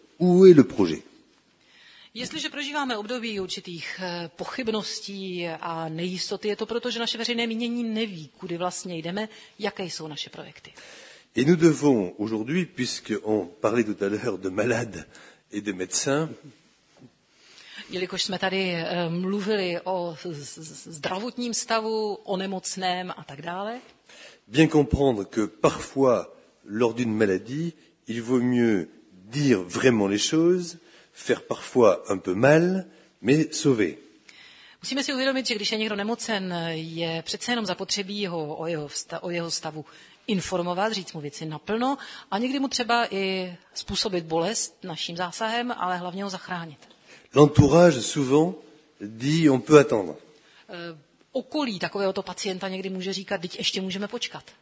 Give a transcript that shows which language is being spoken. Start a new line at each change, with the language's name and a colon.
French: Où est le projet?
Czech: Jestliže prožíváme období určitých pochybností a nejistoty, je to proto, že naše veřejné mínění neví, kudy vlastně jdeme, jaké jsou naše projekty.
French: Et nous devons aujourd'hui, puisque on parlait tout à l'heure de malades et de médecins.
Czech: Jelikož jsme tady mluvili o zdravotním stavu, o nemocném a tak dále.
French: Bien comprendre que parfois lors d'une maladie, il vaut mieux dire vraiment les choses, faire parfois un peu mal, mais sauver.
Czech: Musíme si uvědomit, že když je někdo nemocen, je přece jenom zapotřebí ho o jeho stavu informovat, říct mu věci naplno a někdy mu třeba i způsobit bolest naším zásahem, ale hlavně ho zachránit.
French: L'entourage souvent dit on peut attendre.
Czech: Okolí takovéhoto pacienta někdy může říkat, teď ještě můžeme počkat.